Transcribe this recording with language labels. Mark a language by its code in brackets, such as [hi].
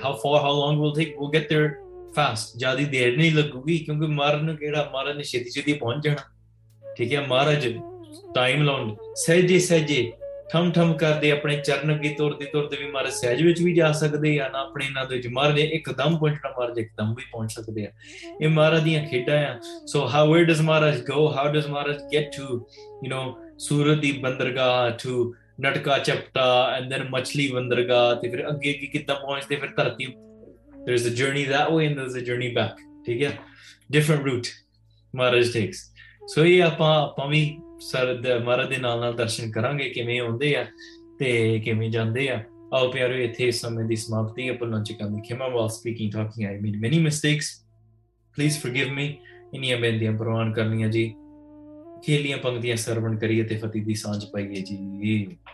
[en] how far how long will take, will get there fast, [pa] ਜ਼ਿਆਦਾ ਦੇਰ ਨਹੀਂ ਲੱਗੂਗੀ, ਕਿਉਂਕਿ ਮਹਾਰਾਜ ਨੂੰ ਕਿਹੜਾ, ਮਹਾਰਾਜ ਨੇ ਛੇਤੀ ਛੇਤੀ ਪਹੁੰਚ ਜਾਣਾ, ਠੀਕ ਹੈ, ਮਹਾਰਾਜ ਟਾਈਮ ਲਾਉਣ, ਸਹਿਜੇ ਸਹਿਜੇ ਠਮ ਠਮ ਕਰਦੇ ਆਪਣੇ ਚਰਨ ਅੱਗੇ ਤੁਰਦੇ ਤੁਰਦੇ ਵੀ ਮਹਾਰਾਜ ਸਹਿਜ ਵਿੱਚ ਵੀ ਜਾ ਸਕਦੇ ਆ, ਨਾ ਆਪਣੇ ਇਹਨਾਂ ਦੇ ਵਿੱਚ, ਮਹਾਰਾਜ ਇੱਕਦਮ ਪਹੁੰਚਣਾ, ਮਹਾਰਾਜ ਇੱਕਦਮ ਵੀ ਪਹੁੰਚ ਸਕਦੇ ਆ, ਇਹ ਮਹਾਰਾਜ ਦੀਆਂ ਖੇਡਾਂ ਆ। [en] so how where does Maharaj go, how does Maharaj get to, you know, [pa] ਸੂਰਤ ਦੀ ਬੰਦਰਗਾਹ [en] to ਨਟਕਾ ਚਪਟਾ and then ਮਛਲੀ ਬੰਦਰਗਾਹ, [pa] ਤੇ ਫਿਰ ਅੱਗੇ ਅੱਗੇ ਕਿੱਦਾਂ ਪਹੁੰਚਦੇ ਫਿਰ ਧਰਤੀ? [en] There is a journey that way and there is a journey back. [pa] ਠੀਕ ਹੈ, [en] different route Maharaj takes. [pa] So ਇਹ ਆਪਾਂ ਵੀ ਸਰ ਮਹਾਰਾਜ ਦੇ ਨਾਲ ਨਾਲ ਦਰਸ਼ਨ ਕਰਾਂਗੇ, ਕਿਵੇਂ ਆਉਂਦੇ ਆ ਤੇ ਕਿਵੇਂ ਜਾਂਦੇ ਆ। ਆਓ ਪਿਆਰੋ, ਇੱਥੇ ਸਮੇਂ ਦੀ ਸਮਾਪਤੀ ਹੈ, ਭੁੱਲਣ ਚ ਕਹਿੰਦੇ ਖਿਮਾ ਵਾਲ [en] speaking talking, I mean many mistakes, please forgive me, [pa] ਇੰਨੀਆਂ ਬੇਨਤੀਆਂ ਪ੍ਰਵਾਨ ਕਰਨੀਆਂ ਜੀ, ਖੇਲੀਆਂ ਪੰਕਤੀਆਂ ਸਰਵਣ ਕਰੀਏ ਤੇ ਫਤਿਹ ਦੀ ਸਾਂਝ ਪਾਈਏ ਜੀ।